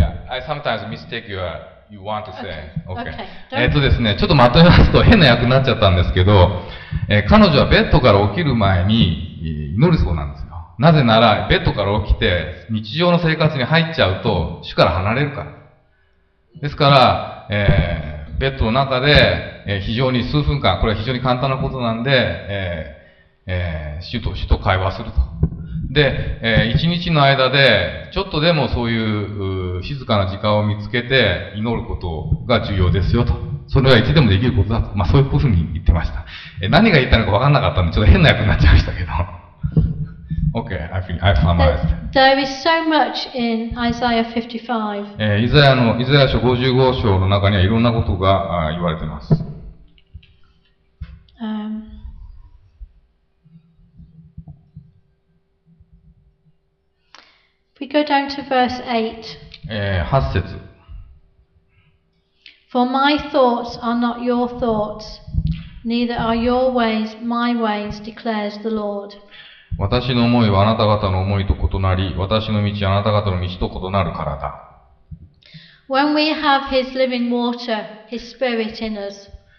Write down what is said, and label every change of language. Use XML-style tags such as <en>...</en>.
<en>I sometimes mistake you want to say. Okay.</en> <ja>ですね、ちょっとまとめますと変な訳になっちゃったんですけど、彼女はベッドから起きる前に祈るそうなんですよ。なぜならベッドから起きて日常の生活に入っちゃうと主から離れるから。ですから、ベッドの中で、非常に数分間、これは非常に簡単なことなんで、主と会話すると。で、一日の間で、ちょっとでもそういう、静かな時間を見つけて、祈ることが重要ですよと。それはいつでもできることだと。まあ、そういうふうに言ってました。何が言ったのか分かんなかったんで、ちょっと変な役になっちゃいましたけど。</ja> <en>Okay, I've summarized. There is so much in Isaiah 55.</en> <ja>イザヤ書55章の中にはいろんなことが言われてます。</ja> <en>We go down to verse 8.</en> <ja>8節。</ja> <en>For my thoughts are not your thoughts, neither are your ways my ways, declares the Lord.</en> <ja>私の思いはあなた方の思いと異なり、私の道はあなた方の道と異なるからだ。</ja> <en>When we have his living water, his spirit in us.</en>